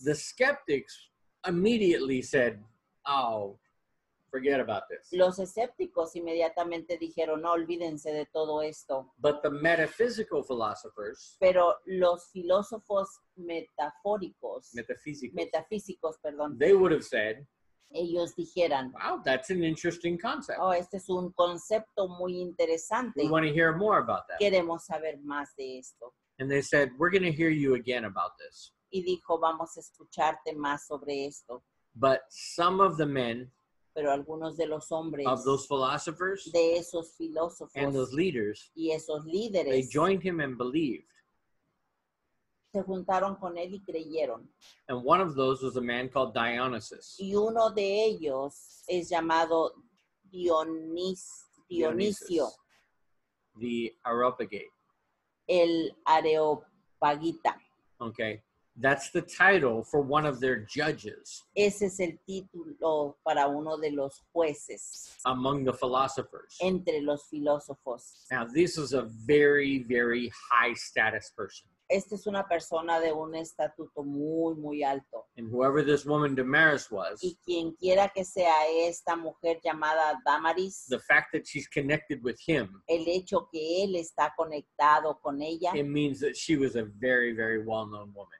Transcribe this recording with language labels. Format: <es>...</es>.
<en>The skeptics immediately said, oh, forget about this.</en> <es>Los escépticos inmediatamente dijeron, no, olvídense de todo esto.</es> <en>But the metaphysical philosophers.</en> <es>Pero los filósofos metafóricos. Metafísicos, perdón.</es> <en>They would have said.</en> <es>Ellos dijeran,</es> <en>wow, that's an interesting concept.</en> <es>Oh, este es un concepto muy interesante.</es> <en>We want to hear more about that.</en> <es>Queremos saber más de esto.</es> <en>And they said, we're going to hear you again about this.</en> <es>Y dijo, vamos a escucharte más sobre esto.</es> <en>But some of the men,</en> <es>pero algunos de los hombres,</es> <en>of those philosophers,</en> <es>de esos filósofos,</es> <en>and those leaders,</en> <es>y esos líderes,</es> <en>they joined him and believed.</en> <es>Se juntaron con él y creyeron.</es> <en>And one of those was a man called Dionysus.</en> <es>Y uno de ellos es llamado Dionisio.</es> <en>The Areopagite.</en> <es>El Areopagita.</es> <en>Okay. That's the title for one of their judges.</en> <es>Ese es el título para uno de los jueces.</es> <en>Among the philosophers.</en> <es>Entre los filósofos.</es> <en>Now, this is a very, very high status person.</en> <es>Esta es una persona de un estatuto muy, muy alto.</es> <en>And whoever this woman Damaris was.</en> <es>Y quien quiera que sea esta mujer llamada Damaris.</es> <en>The fact that she's connected with him.</en> <es>El hecho que él está conectado con ella.</es> <en>It means that she was a very, very well-known woman.</en>